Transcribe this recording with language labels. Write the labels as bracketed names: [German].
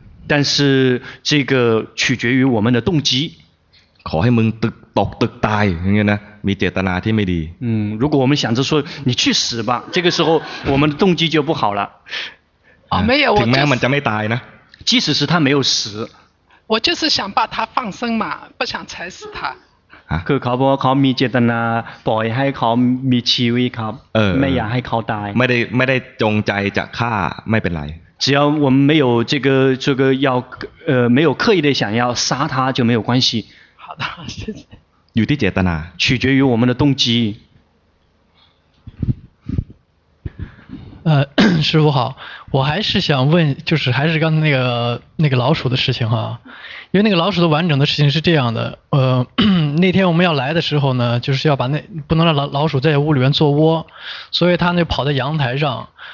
[Chinese] 但是这个取决于我们的动机 [Thai] ขอให้มึงตึกตกตึกตายอย่างเงี้ยนะมีเจตนาที่ไม่ดี [Chinese] 如果我们想着说你去死吧这个时候我们的动机就不好了啊没有 [Thai] ถึงแม้มันจะไม่ตายนะ [Chinese] 即使是他没有死我就是想把他放生嘛不想踩死他 [Thai] คือเขาบอกว่าเขามีเจตนาปล่อยให้เขามีชีวิตครับไม่อยากให้เขาตาย ไม่ได้จงใจจะฆ่าไม่เป็นไร [Chinese] 只要我们没有这个要没有刻意的想要杀他就没有关系好的谢谢 [Thai] อยู่ที่เจตนา [Chinese] 取决于我们的动机师父好我还是想问就是还是刚才那个老鼠的事情哈因为那个老鼠的完整的事情是这样的那天我们要来的时候呢就是要把那不能让老鼠在屋里面做窝所以他那跑在阳台上